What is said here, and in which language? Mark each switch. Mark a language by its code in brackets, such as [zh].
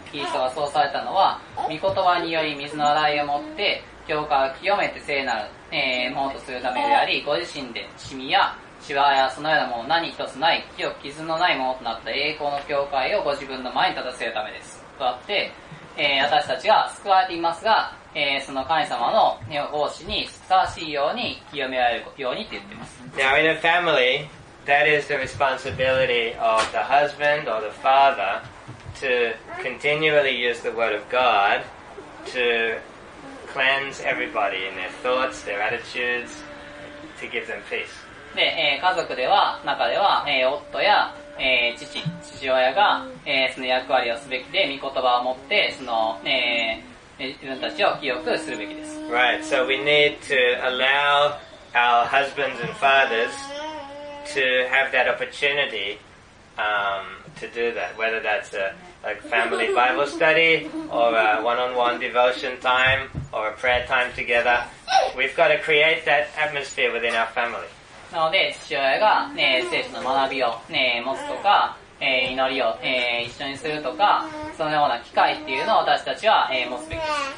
[ja] キリストがそうされたのは、御言葉により水の洗いをもって、教会を清めて聖なる、ものとするためであり、ご自身で、シミや、シワやそのようなもの何一つない、清く傷のないものとなった栄光の教会をご自分の前に立たせるためです。とあって、私たちは救われていますが、その神様の奉仕にふさわしいように清められるようにって言っています。 [en] Now in a family, that is the responsibility of the husband or the father to continually use the word of God to cleanse everybody in their thoughts, their attitudes, to give them peace. [ja] で、家族では、中では、夫や、父、父親が、その役割をすべきで、御言葉を持って、その、自分たちを清くするべきです。 [en] Right, so we need to allow our husbands and fathers to have that opportunity, to do that. Whether that's a family Bible study, or a one-on-one devotion time, or a prayer time together. We've got to create that atmosphere within our family. [ja] なので、父親が、聖書の学びを、持つとか、祈りを、一緒にするとか、そのような機会っていうのを私たちは、持つべきです。